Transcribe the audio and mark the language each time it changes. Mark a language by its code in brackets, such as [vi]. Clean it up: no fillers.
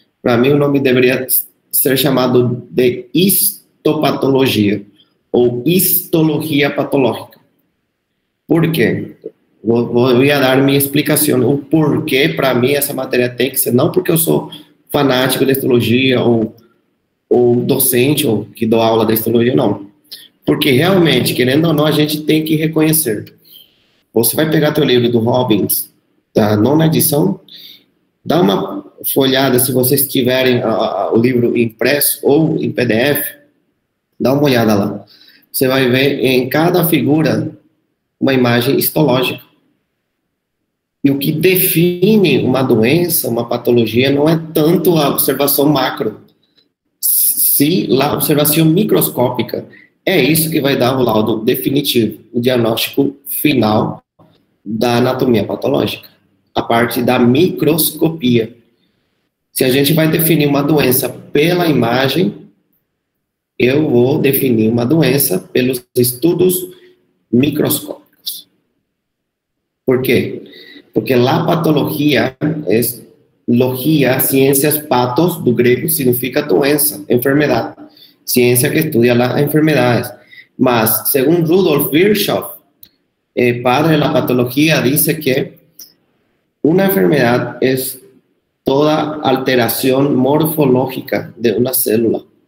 [es] Para mí, un nombre debería ser llamado de histopatología o histología patológica. ¿Por qué? Voy a dar mi explicación. O por qué para mí esa materia tiene que ser, no porque yo soy fanático de histología o docente o que doy aula de histología, no. [pt] Porque realmente, querendo ou não, a gente tem que reconhecer. Você vai pegar teu livro do Robbins, da nona edição, dá uma folhada, se vocês tiverem o livro impresso ou em PDF, dá uma olhada lá. Você vai ver em cada figura uma imagem histológica. E o que define uma doença, uma patologia, não é tanto a observação macro. Sim, lá observação microscópica é isso que vai dar o laudo definitivo, o diagnóstico final da anatomia patológica, a parte da microscopia. Se a gente vai definir uma doença pela imagem, eu vou definir uma doença pelos estudos microscópicos. Por quê? [es] Porque la patología es logía, ciencias, patos, [pt] do grego, significa doença, [es] enfermedad. Ciencia que estudia las enfermedades. Mas, según Rudolf Virchow, padre de la patología, dice que una enfermedad es toda alteración morfológica de una célula.